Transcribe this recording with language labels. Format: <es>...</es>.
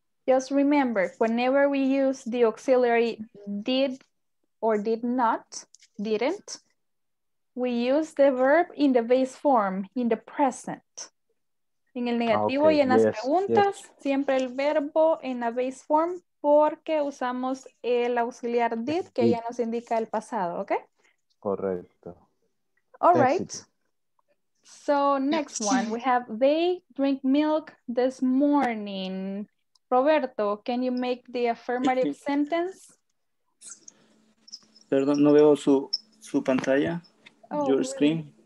<en>Just remember, whenever we use the auxiliary did or did not, didn't, we use the verb in the base form, in the present.</en> <es>En el negativo okay, y en las yes, preguntas, yes. Siempre el verbo en la base form porque usamos el auxiliar did que ya nos indica el pasado, ¿ok? Correcto.</es> <en>All right. So next one, we have they drink milk this morning. Roberto, can you make the affirmative sentence?</en> <es>Perdón, no veo su pantalla.</es> <en>Oh, your screen.</en>